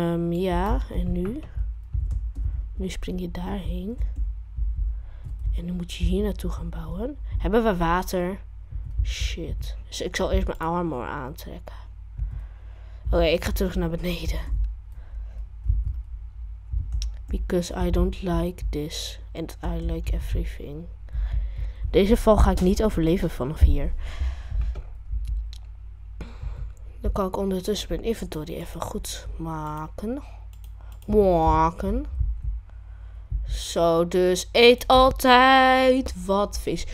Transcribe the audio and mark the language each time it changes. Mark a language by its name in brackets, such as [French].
[Dutch] Ja, en nu? Nu spring je daarheen. En nu moet je hier naartoe gaan bouwen. Hebben we water? Shit. Dus ik zal eerst mijn armor aantrekken. Oké, ik ga terug naar beneden. [English] Because I don't like this. And I like everything. [Dutch] Deze val ga ik niet overleven vanaf hier. Dan kan ik ondertussen mijn inventory even goed maken. Maken. Zo, dus eet altijd wat vis.